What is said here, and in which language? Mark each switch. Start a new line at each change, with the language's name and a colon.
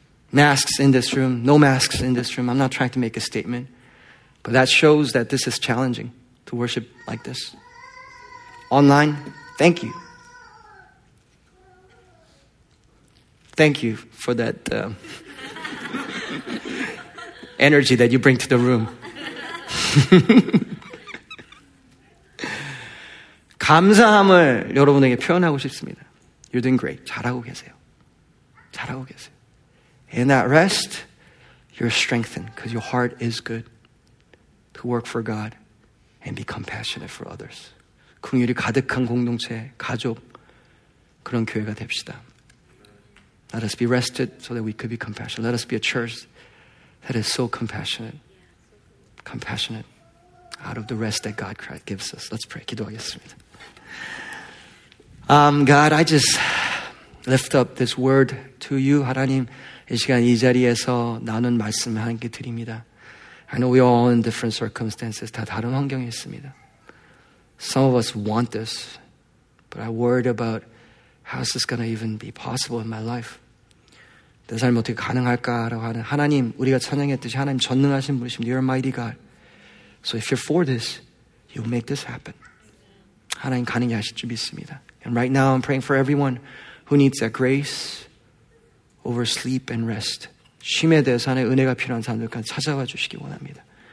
English: Masks in this room, no masks in this room. I'm not trying to make a statement, but that shows that this is challenging to worship like this. Online, thank you. Thank you for that energy that you bring to the room.
Korean: 감사함을 여러분에게 표현하고 싶습니다.
English: You're doing great.
Korean: 잘하고 계세요. 잘하고 계세요.
English: In that rest, you're strengthened because your heart is good to work for God and be compassionate for others.
Korean: 긍휼이 가득한 공동체, 가족, 그런 교회가 됩시다.
English: Let us be rested so that we could be compassionate. Let us be a church that is so compassionate. Compassionate out of the rest that God Christ gives us. Let's pray.
Korean: 기도하겠습니다.
English: God, I just lift up this word to you.
Korean: 하나님, 이 시간 이 자리에서 나눈 말씀을 함께 드립니다.
English: I know we are all in different circumstances.
Korean: 다 다른 환경에 있습니다.
English: Some of us want this, but I worried about how is this going to even be possible in my life.
Korean: 내 삶이 어떻게 가능할까라고 하는 하나님, 우리가 찬양했듯이 하나님 전능하신 분이십니다.
English: You're a mighty God. So if you're for this, you'll make this happen.
Korean: 하나님 가능하실 줄 믿습니다.
English: And right now I'm praying for everyone who needs that grace over sleep and rest.
Korean: 쉼에 대해서 하나님 은혜가 필요한 사람들까지 찾아와 주시기 원합니다.